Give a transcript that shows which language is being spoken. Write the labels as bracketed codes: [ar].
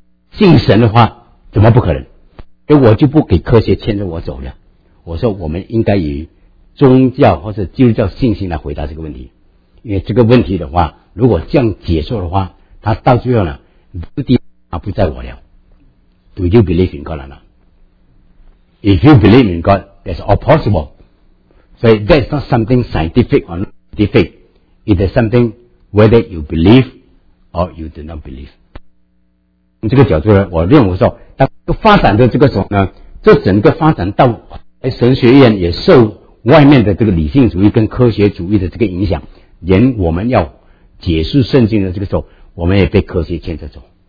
[zh] 信神的话怎么不可能？所以我就不给科学牵着我走了。我说我们应该以宗教或者基督教信心来回答这个问题，因为这个问题的话，如果这样解说的话，它到最后呢目的不在我了。 [en] Do you believe in God or not? If you believe in God, that's all possible. So that's not something scientific or not scientific. It is something whether you believe or you do not believe. [zh] 从这个角度呢，我认为说，当发展的这个时候呢，这整个发展到神学院也受外面的这个理性主义跟科学主义的这个影响，连我们要解释圣经的这个时候，我们也被科学牵着走。